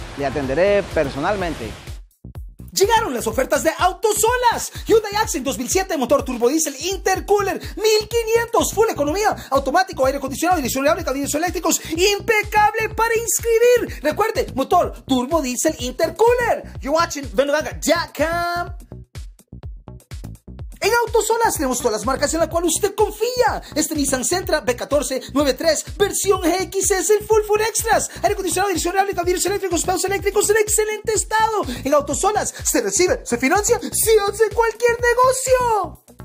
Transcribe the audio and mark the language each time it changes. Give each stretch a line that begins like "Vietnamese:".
Spanish: Le atenderé personalmente. Llegaron las ofertas de Autos Olas. Hyundai Accent 2007, motor turbodiesel intercooler, 1500, full economía, automático, aire acondicionado, dirección hidráulica, dirección eléctricos, impecable para inscribir. Recuerde, motor turbodiesel intercooler.
English: You're watching Venovanga.com.
Spanish: En Autosolas tenemos todas las marcas en las cuales usted confía. Este Nissan Sentra B14-93 versión GXS en full extras. Aire acondicionado, dirección hidráulica, vidrios eléctricos, espejos eléctricos en excelente estado. En Autosolas se recibe, se financia, se hace cualquier negocio.